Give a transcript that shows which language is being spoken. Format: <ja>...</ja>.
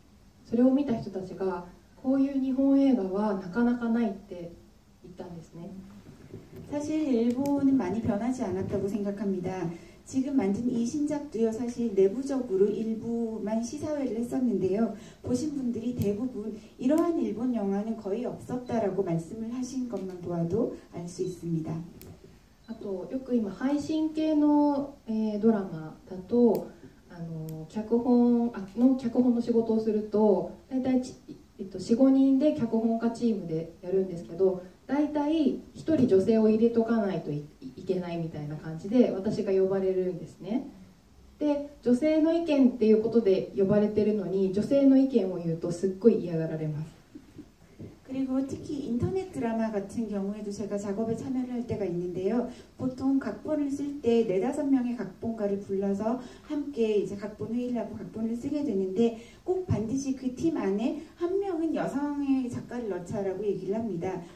<ja>正直変わってはいないと思います。それは今新作をうちうちで試写をした限りだと、やっぱりそれを見た人たちが こういう日本映画はなかなかないって言ったんですね。</ja> <ko>사실 일본은 많이 변하지 않았다고 생각합니다. 지금 만든 이 신작도요, 사실 내부적으로 일부만 시사회를 했었는데요. 보신 분들이 대부분 이러한 일본 영화는 거의 없었다라고 말씀을 하신 것만 보아도 알 수 있습니다.</ko> <ja>あと、よく今配信系のドラマだと、脚本の仕事をすると、大体 4、5人で脚本家チームでやるんですけど、だいたい1人女性を入れとかないといけないみたいな感じで私が呼ばれるんですね。で、女性の意見っていうことで呼ばれてるのに、女性の意見を言うとすっごい嫌がられます。</ja> <ko>그리고 특히 인터넷 드라마 같은 경우에도 제가 작업에 참여를 할 때가 있는데요. 보통 각본을 쓸 때 네다섯 명의 각본가를 불러서 함께 이제 각본 회의를 하고 각본을 쓰게 되는데 꼭 반드시 그 팀 안에 한 명은 여성의 작가를 넣자라고 얘기를 합니다.</ko>